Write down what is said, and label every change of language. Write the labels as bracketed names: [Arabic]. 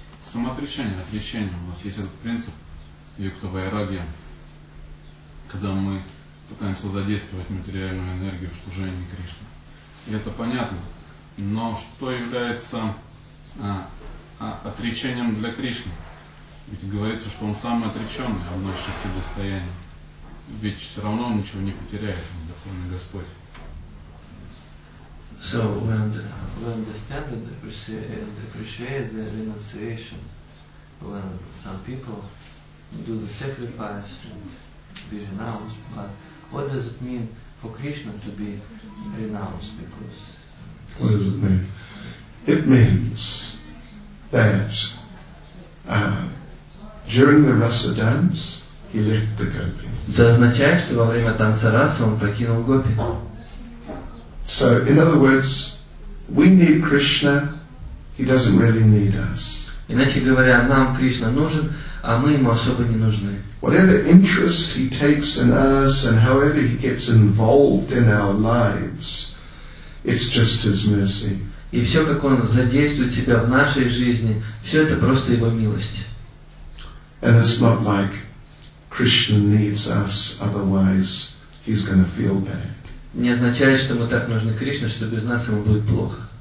[Russian] Самоотречение, отречение. У нас есть этот принцип юктовая радия, когда мы пытаемся задействовать материальную энергию в служении Кришне. И это понятно. Но что является отречением для Кришны? Ведь говорится, что он самый отреченный, одно из шести достояний. Ведь все равно он ничего не потеряет, Верховный Господь. [English] So we understand that appreciate the renunciation when some people do the sacrifice and be renounced. But what does it mean for Krishna to be renounced? Because what does it mean? It means that during the rasa dance he left the gopi. [Russian] Это означает, что во время танца раса он покинул гопи. [English] So, in other words, we need Krishna, he doesn't really need us. [Russian] Иначе говоря, нам Кришна нужен, а мы ему особо не нужны. [English] Whatever interest he takes in us and however he gets involved in our lives, it's just his mercy. [Russian] И все, как он задействует себя в нашей жизни, все это просто его милость. [English] And it's not like Krishna needs us, otherwise he's going to feel bad. [Russian] Не означает, что мы так нужны Кришне, что без нас ему будет плохо.